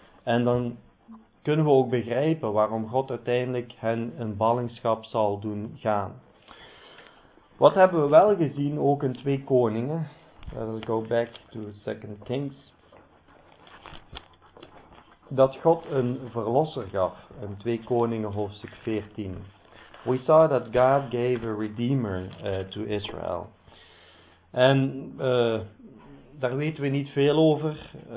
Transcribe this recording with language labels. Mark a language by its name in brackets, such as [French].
[Dutch] En dan kunnen we ook begrijpen waarom God uiteindelijk hen in ballingschap zal doen gaan. Wat hebben we wel gezien, ook in 2 Koningen? [English] Let's go back to 2 Kings. [Dutch] Dat God een verlosser gaf, in 2 Koningen hoofdstuk 14. [English] We saw that God gave a redeemer to Israel. [Dutch] En daar weten we niet veel over.